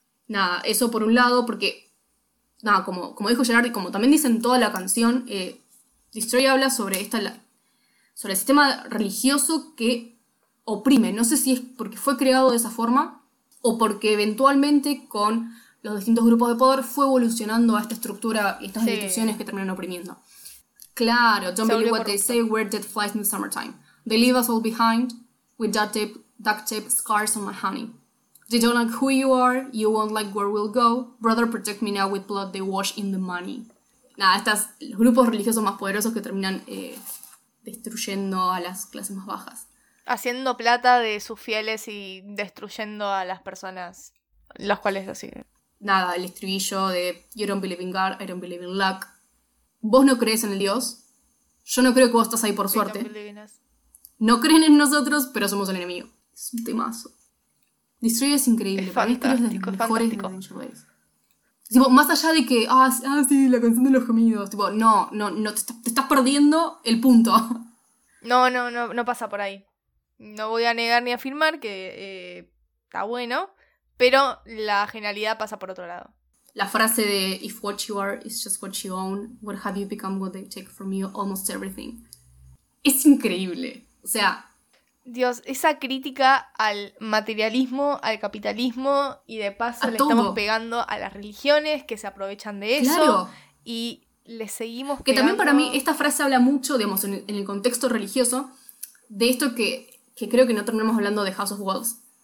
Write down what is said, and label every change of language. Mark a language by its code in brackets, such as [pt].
[es] Nada, eso por un lado, porque... Nada, como dijo Gerard, y como también dicen toda la canción... Destroy habla sobre esta... Sobre el sistema religioso que oprime. No sé si es porque fue creado de esa forma o porque eventualmente con los distintos grupos de poder fue evolucionando a esta estructura y estas instituciones que terminan oprimiendo. Claro, [en] don't believe what they say, we're dead flies in the summertime. They leave us all behind with duct tape scars on my honey. They don't like who you are, you won't like where we'll go. Brother, protect me now with blood they wash in the money. [es] Nada, estos grupos religiosos más poderosos que terminan... destruyendo a las clases más bajas. Haciendo plata de sus fieles y destruyendo a las personas las cuales lo siguen. Nada, el estribillo de [en] You don't believe in God, I don't believe in luck. [es] Vos no crees en el Dios. Yo no creo que vos estás ahí por suerte. No creen en nosotros, pero somos el enemigo. Es un temazo. Destroy es increíble. Tipo, más allá de que, sí, la canción de los gemidos. Tipo, no, te estás perdiendo el punto. No pasa por ahí. No voy a negar ni afirmar que está bueno, pero la genialidad pasa por otro lado. La frase de, [en] if what you are is just what you own, what have you become, what they take from you, almost everything. [es] Es increíble. O sea... Dios, esa crítica al materialismo, al capitalismo, y de paso le estamos pegando a las religiones que se aprovechan de eso. Claro. Y le seguimos pegando. Que también para mí esta frase habla mucho, digamos, en el contexto religioso, de esto que creo que no terminamos hablando de House of Wolves.